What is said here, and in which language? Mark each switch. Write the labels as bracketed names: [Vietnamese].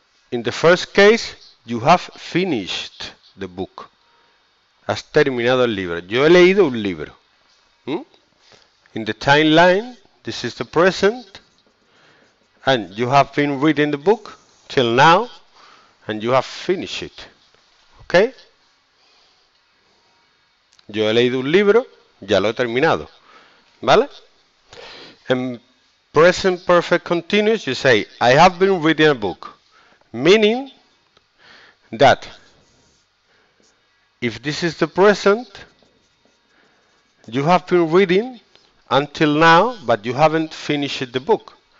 [English] In the first case, you have finished the book. [Spanish] Has terminado el libro. Yo he leído un libro. [English] In the timeline, this is the present. And you have been reading the book till now, and you have finished it. Okay. [Spanish] Yo he leído un libro, ya lo he terminado. ¿Vale? [English] In present perfect continuous, you say, I have been reading a book. Meaning that if this is the present, you have been reading until now, but you haven't finished the book.